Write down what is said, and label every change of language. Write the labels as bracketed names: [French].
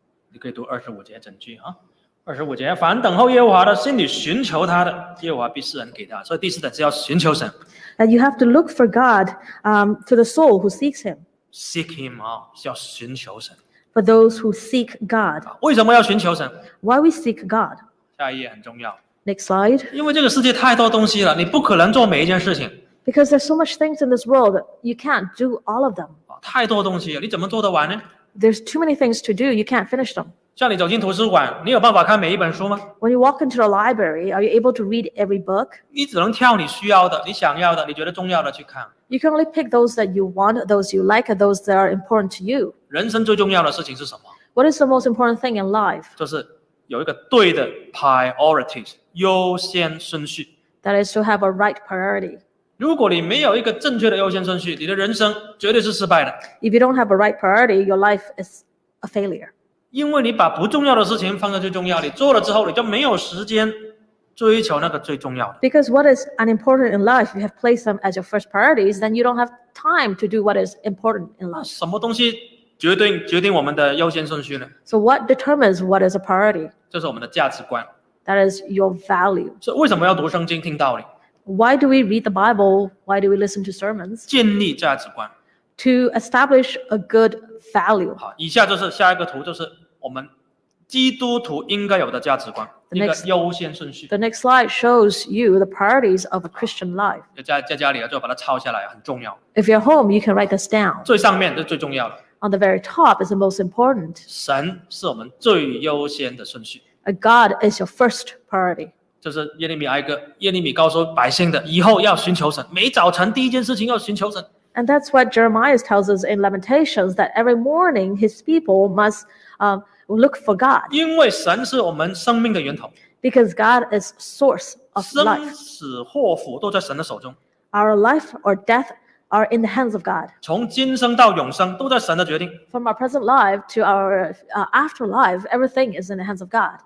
[Chinese] 你可以读25节整句啊，25节，凡等候耶和华的，心里寻求他的，耶和华必施恩给他。所以第四点是要寻求神。 [English] That you have to look for God, to the soul who seeks Him. Seek Him [Chinese] 啊，是要寻求神。 [English] For those who seek God， [Chinese] 为什么要寻求神 [English] ？Why we seek God？ [Chinese] 下一页很重要。 [English] Next slide。 [Chinese] 因为这个世界太多东西了，你不可能做每一件事情。 [English] Because there's so much things in this world, you can't do all of them。 [Chinese] 太多东西了，你怎么做得完呢 [English] ？There's too many things to do, you can't finish them。 [Chinese] 像你走进图书馆，你有办法看每一本书吗 [English] ？When you walk into the library, are you able to read every book？ [Chinese] 你只能挑你需要的、你想要的、你觉得重要的去看。 [English] You can only pick those that you want, those you like, those that are important to you. [Chinese] 人生最重要的事情是什么 [English] ？What is the most important thing in life？ [Chinese] 就是有一个对的 priorities 优先顺序。 [English] That is to have a right priority. [Chinese] 如果你没有一个正确的优先顺序，你的人生绝对是失败的。 [English] If you don't have a right priority, your life is a failure. [Chinese] 因为你把不重要的事情放在最重要，你做了之后，你就没有时间。追求那个最重要的。 [English] Because what is unimportant in life, you have placed them as your first priorities, then you don't have time to do what is important in life. [Chinese] 什么东西决定我们的优先顺序呢 [English] ？So what determines what is a priority? [Chinese] 这是我们的价值观。 [English] That is your value. [Chinese] 所以为什么要读圣经听道理 [English] ？Why do we read the Bible? Why do we listen to sermons? [Chinese] 建立价值观。 [English] To establish a good value. [Chinese] 好，以下就是下一个图，就是我们基督徒应该有的价值观。一个优先顺序。 [English] The next slide shows you the priorities of a Christian life. [Chinese] 在家里啊，就把它抄下来，很重要。 [English] If you're home, you can write this down. [Chinese] 最上面是最重要的。 [English] On the very top is the most important. [Chinese] 神是我们最优先的顺序。 [English] God is your first priority. [Chinese] 这是耶利米哀歌，耶利米告诉百姓的，以后要寻求神，每早晨第一件事情要寻求神。 [English] And that's what Jeremiah tells us in Lamentations, that every morning his people must look for God. [Chinese] 因为神是我们生命的源头。 [English] Because God is source of life. [Chinese] 生死祸福都在神的手中。 [English] Our life or death are in the hands of God. [Chinese] 从今生到永生都在神的决定。 [English] From our present life to our afterlife, everything is in the hands of God.